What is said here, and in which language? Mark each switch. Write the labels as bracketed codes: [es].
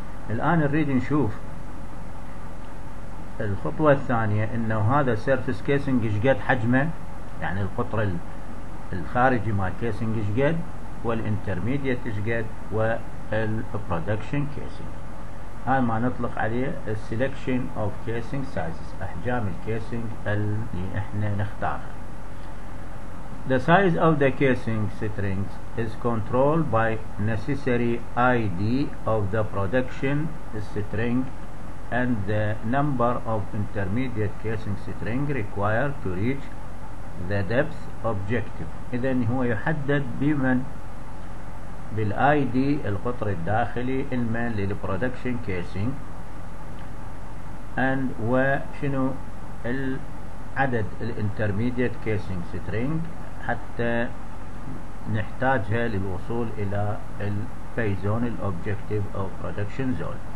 [ar] الان نريد نشوف الخطوة الثانية، انه هذا سيرفيس كيسينج ايش قد حجمه، يعني القطر الخارجي مال كيسينج ايش قد، والانترميديت ايش قد، و البرودكشن كيسينج. هاي ما نطلق عليه السيلكشن اوف كيسينج سايزز، احجام الكيسينج اللي احنا نختارها. [en] The size of the casing strings is controlled by necessary ID of the production string and the number of intermediate casing string required to reach the depth objective. [ar] اذا هو يحدد بمن بالاي دي، القطر الداخلي المال للبرودكشن كيسينج، اند وشنو العدد الانترميديت كيسينج سترينج حتى نحتاجها للوصول الى البيزون الاوبجكتيف او برودكشن زون.